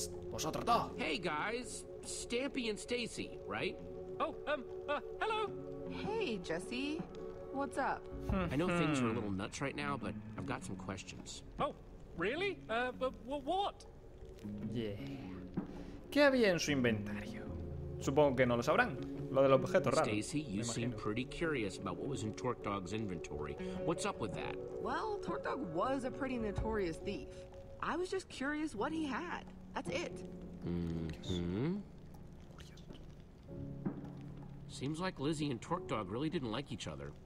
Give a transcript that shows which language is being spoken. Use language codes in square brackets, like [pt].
[es] Vosotros dos. [en] Hey guys, Stampy and Stacy, right? Hello. Hey Jesse, what's up? I know things are a little nuts right now, but I've got some questions. Oh, really? But what? [es] Yeah. ¿Qué había en su inventario? Supongo que no lo sabrán. lo del objeto raro. [en] Stacy, you seem pretty curious about what was in Torque Dog's inventory. What's up with that? Well, Torque Dog was a pretty notorious thief. I was just curious what he had. That's it. Mm-hmm. Seems like Lizzie and Torque Dog really didn't like each other.